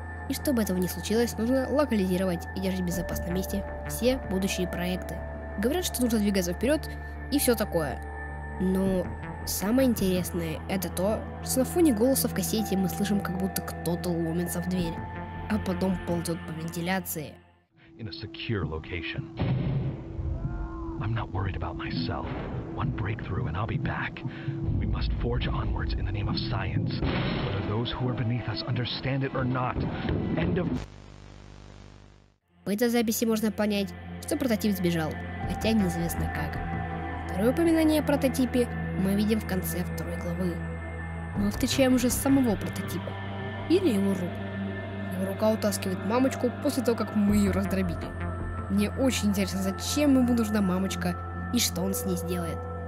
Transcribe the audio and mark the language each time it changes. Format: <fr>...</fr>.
<ru>И чтобы этого не случилось, нужно локализировать и держать в безопасном месте все будущие проекты. Говорят, что нужно двигаться вперед и все такое. Но самое интересное – это то, что на фоне голоса в кассете мы слышим, как будто кто-то ломится в дверь, а потом ползет по вентиляции.</ru> <en>In a secure location. I'm not worried about myself. One breakthrough and I'll be back. We must forge onwards in the name of science. Whether those who are beneath us understand it or not. End of...</en> <ru>По этой записи можно понять, что прототип сбежал, хотя неизвестно как. Второе упоминание о прототипе мы видим в конце второй главы. Мы встречаем уже самого прототипа, или его руку. Его рука утаскивает мамочку после того, как мы ее раздробили. Мне очень интересно, зачем ему нужна мамочка и что он с ней сделает.</ru>